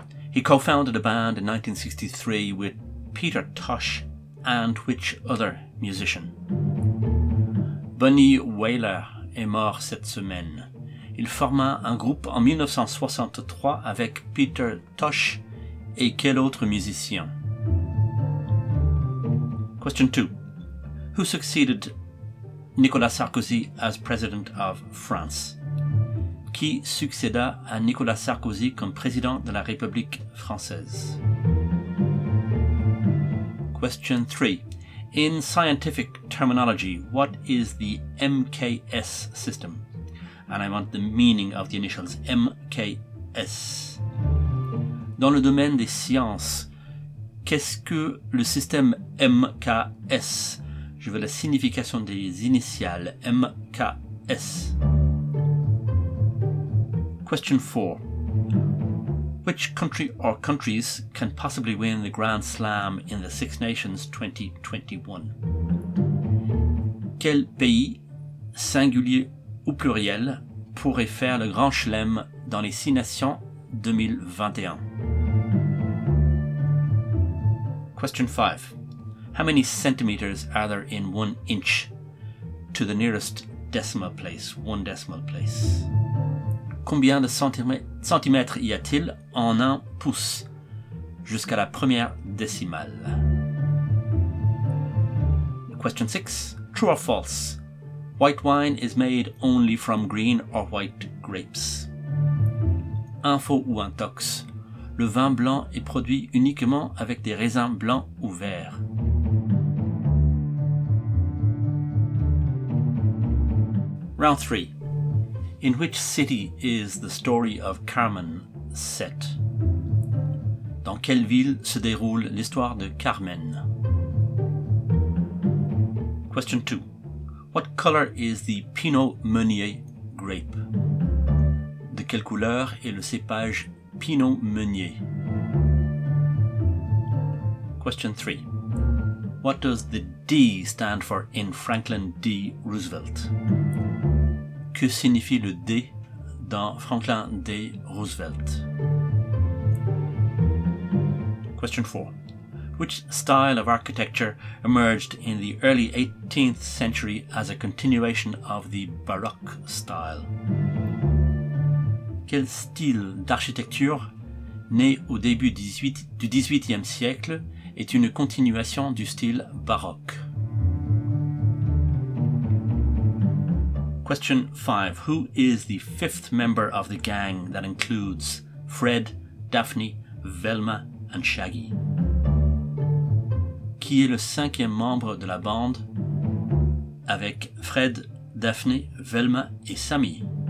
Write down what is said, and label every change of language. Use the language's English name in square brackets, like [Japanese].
[English] He co-founded a band in 1963 with Peter Tosh and which other musician? [French] Bunny Wailer est mort cette semaine. Il forma un groupe en 1963 avec Peter Tosh et quel autre musicien? [English] Question 2. Who succeeded Nicolas Sarkozy as president of France? [French] Qui succéda à Nicolas Sarkozy comme président de la République française? [English] Question 3. In scientific terminology, what is the MKS system? And I want the meaning of the initials MKS. [French] Dans le domaine des sciences, qu'est-ce que le système MKS? Je veux la signification des initiales MKS. [English] Question 4. Which country or countries can possibly win the Grand Slam in the Six Nations 2021? [French] Quel pays, singulier ou pluriel, pourrait faire le Grand Chelem dans les Six Nations 2021? [English] Question 5. How many centimeters are there in 1 inch to the nearest decimal place, one decimal place? [French] Combien de centimètres y a-t-il en un pouce jusqu'à la première [English] decimal. Question 6. True or false? White wine is made only from green or white grapes. [French] Info ou intox? Le vin blanc est produit uniquement avec des raisins blancs ou verts. [English] Round 3. In which city is the story of Carmen set? [French] Dans quelle ville se déroule l'histoire de Carmen? [English] Question 2. What color is the Pinot Meunier grape? [French] De quelle couleur est le cépage Pinot Meunier? [English] Question 3. What does the D stand for in Franklin D. [French] Roosevelt? Que signifie le D dans Franklin D. Roosevelt? [English] Question 4. Which style of architecture emerged in the early 18th century as a continuation of the Baroque style? [French] Quel style d'architecture, né au début du 18e siècle, est une continuation du style baroque? [English] Question 5. Who is the fifth member of the gang that includes Fred, Daphne, Velma and Shaggy? [French] Qui est le cinquième membre de la bande avec Fred, Daphne, Velma et Sammy?